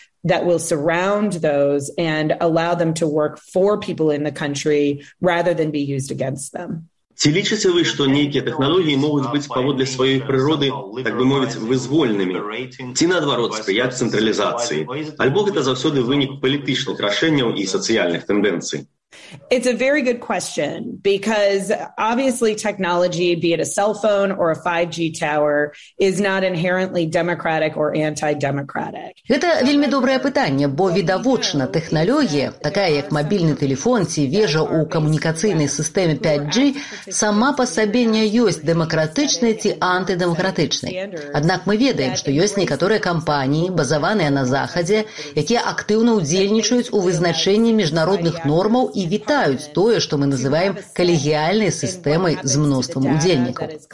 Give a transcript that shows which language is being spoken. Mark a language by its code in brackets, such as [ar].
[en] That will surround those and allow them to work for people in the country rather than be used against them. [be] Ці лічыце вы, што нейкія тэхналогіі могуць быць паводле сваёй прыроды, так бы мовіць, вызвольнымі? Ці наадварот спрыяць цэнтралізацыі? Альбо гэта заўсёды вынік палітычных рашэнняў і сацыяльных тэндэнцый? [en] It's a very good question, because obviously technology, be it a cell phone or a 5G tower, is not inherently democratic or anti-democratic. [be] Гэта вельмі добрае пытанне, бо відавочна тэхналогія, такая як мабільны тэлефон ці вежа ў камунікацыйнай сістэме 5G, сама па сабе не ёсць дэмакратычнай ці антыдэмакратычнай. Аднак мы ведаем, што ёсць некаторыя кампаніі, базаваныя на Захадзе, якія актыўна ўдзельнічаюць у вызначэнні міжнародных нормаў і вітаюць тое, што мы называем калегіяльнай сістэмай з мноствам удзельнікаў.